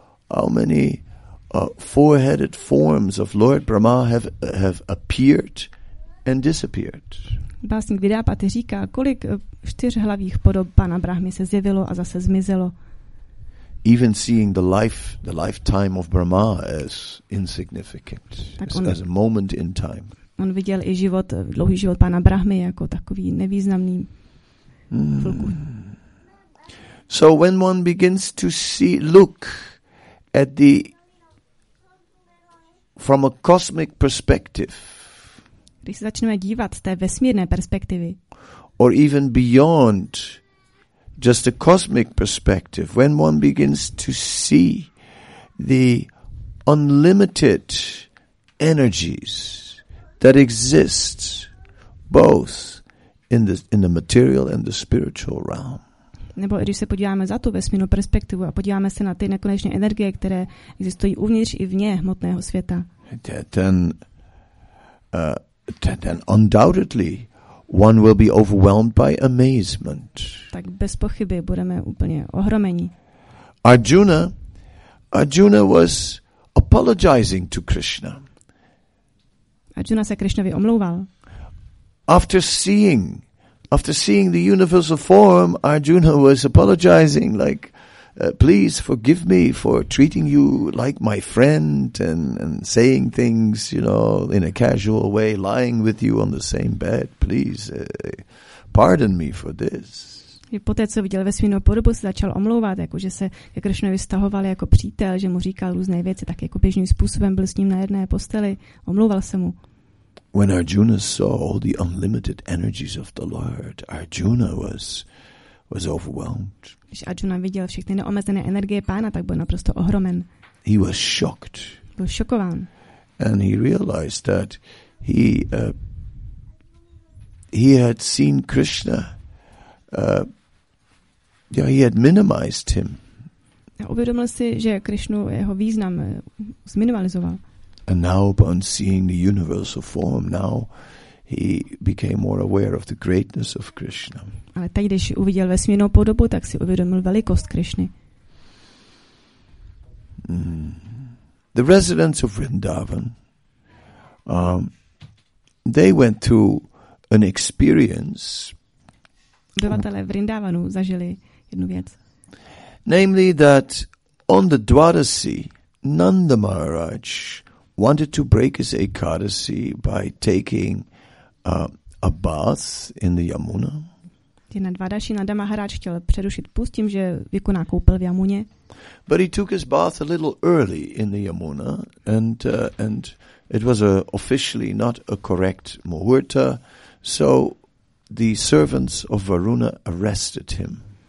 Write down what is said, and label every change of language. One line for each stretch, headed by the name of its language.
English: How many four-headed forms of Lord Brahma have appeared and disappeared?
Czech: Básník Vidápati říká, kolik čtyřhlavých podob pana Brahmy se zjevilo a zase zmizelo.
English: Even seeing the lifetime of Brahma as insignificant, as a moment in time.
Czech: On viděl i život, dlouhý život pána Brahmy jako takový nevýznamný chvilku.
English: So when one begins to see, look at the from a cosmic perspective.
Czech: Když se začneme dívat z té vesmírné perspektivy.
English: Or even beyond just a cosmic perspective, when one begins to see the unlimited energies that exist both in the material and the spiritual realm.
Czech: Nebo když se podíváme za tu vesmírnou perspektivu a podíváme se na ty nekonečné energie, které existují uvnitř i vně hmotného světa.
English: Then then undoubtedly one will be overwhelmed by amazement.
Czech: Tak bez pochyby budeme úplně ohromeni.
English: Arjuna was apologizing to Krishna.
Czech: Arjuna se Krishnovi omlouval.
English: After seeing the universal form, Arjuna was apologizing, like, please forgive me for treating you like my friend and saying things, you know, in a casual way, lying with you on the same bed. Please pardon me for this.
Czech: Poté, co viděl vesmírnou podobu, se začal omlouvat, jako že se ke Krishnovi vztahoval jako přítel, že mu říkal různé věci, tak jako běžným způsobem byl s ním na jedné posteli, omlouval se mu.
English: When Arjuna saw all the unlimited energies of the Lord, Arjuna was overwhelmed.
Czech: Když Arjuna viděl všechny neomezené energie pána, tak byl naprosto ohromen.
English: He was shocked.
Czech: Byl šokován.
English: And he realized that he had seen Krishna. He had minimized him.
Czech: A uvědomil si, že Krishnu jeho význam zminimalizoval.
English: And now, upon seeing the universal form, now he became more aware of the greatness of Krishna.
Czech: Ale teď, když uviděl vesmírnou podobu, tak si uvědomil velikost Krishny.
English: The residents of Vrindavan, they went through an experience.
Czech: Obyvatelé Vrindavanu zažili jednu věc.
English: Namely that on the Dwadasi, Nanda Maharaj wanted to break his ekadasi by taking a bath in the Yamuna.
Czech: Na Dvadasi Nanda Maharaj chtěl přerušit půst tím, že vykoná koupel v Yamuně.
English: But he took his bath a little early in the Yamuna and it was officially not a correct muhurta, so the servants of Varuna arrested him.